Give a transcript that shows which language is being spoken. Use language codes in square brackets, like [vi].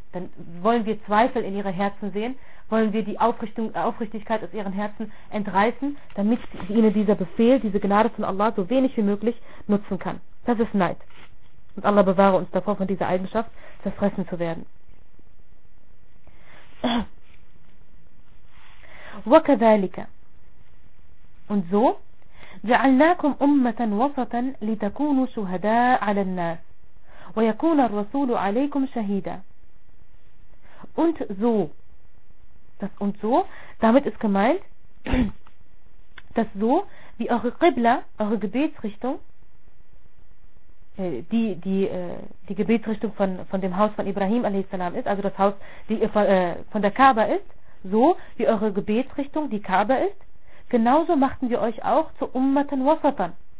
[de] Dann wollen wir Zweifel in ihre Herzen sehen, wollen wir die Aufrichtigkeit aus ihren Herzen entreißen, damit ihnen dieser Befehl, diese Gnade von Allah so wenig wie möglich nutzen kann. Das ist Neid. Und Allah bewahre uns davor, von dieser Eigenschaft zerfressen zu werden. [ar] وَكَذَلِكَ [de] Und so [ar] جعلناكم أمة وسطا لتكونوا شهداء على الناس ويكون الرسول عليكم شهيدا. [de] Und so, das und so, damit ist gemeint, dass so wie eure Qibla, eure Gebetsrichtung, die Gebetsrichtung von dem Haus von Ibrahim a.s. ist, also das Haus, die von der Kaaba ist, so wie eure Gebetsrichtung die Kaaba ist, genauso machten wir euch auch zu Ummatan Wasatan.